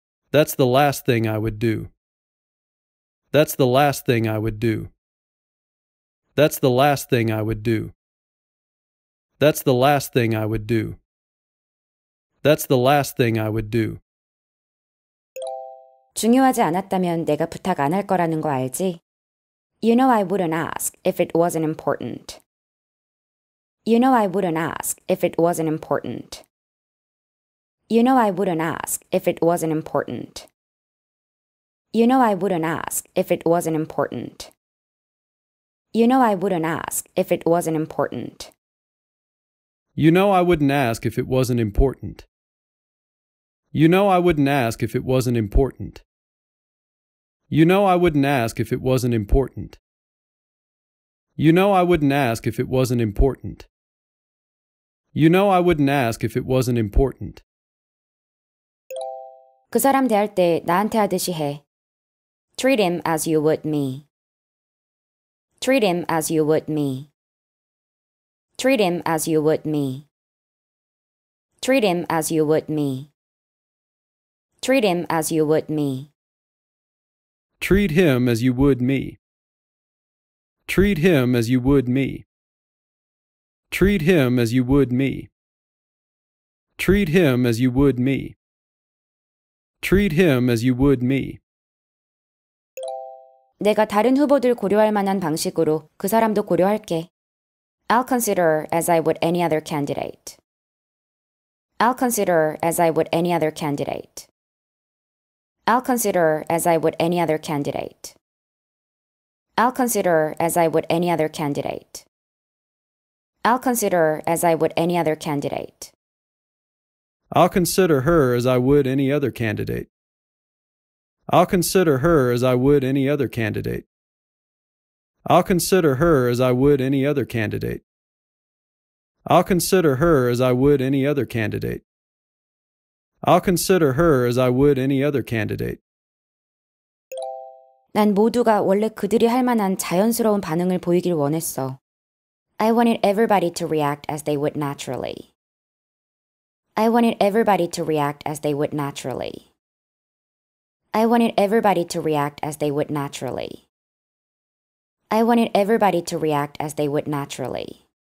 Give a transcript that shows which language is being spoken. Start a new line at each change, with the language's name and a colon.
English: That's the last thing I would do. That's the last thing I would do. That's the last thing I would do. That's the last thing I would do. That's the last thing I would do.
Korean: 중요하지 않았다면 내가 부탁 안 할 거라는 거 알지?
English: You know I wouldn't ask if it wasn't important. You know I wouldn't ask if it wasn't important. You know I wouldn't ask if it wasn't important. You know I wouldn't ask if it wasn't important. You know I wouldn't ask if it wasn't important. You know I wouldn't ask if it wasn't important. You know I wouldn't ask if it wasn't important. You know I wouldn't ask if it wasn't important. You know I wouldn't ask if it wasn't important. You know I wouldn't ask if it wasn't important.
Korean: 그 사람 대할 때 나한테 하듯이 해.
English: Treat him as you would me. Treat him as you would me. Treat him as you would me. Treat him as you would me. Treat him as you would me. Treat him as you would me. Treat him as you would me. Treat him as you would me. Treat him as you would me. Treat him as you would me.
Korean: 내가 다른 후보들 고려할 만한 방식으로 그 사람도 고려할게.
English: I'll consider as I would any other candidate. I'll consider as I would any other candidate. I'll consider as I would any other candidate. I'll consider as I would any other candidate. I'll consider as I would any other candidate. I'll consider her as I would any other candidate. I'll consider her as I would any other candidate. I'll consider her as I would any other candidate. I'll consider her as I would any other candidate. I'll consider her as I would any other candidate.
Korean: 난 모두가 원래 그들이 할 만한 자연스러운 반응을 보이길 원했어.
English: I wanted everybody to react as they would naturally. I wanted everybody to react as they would naturally. I wanted everybody to react as they would naturally. I wanted everybody to react as they would naturally.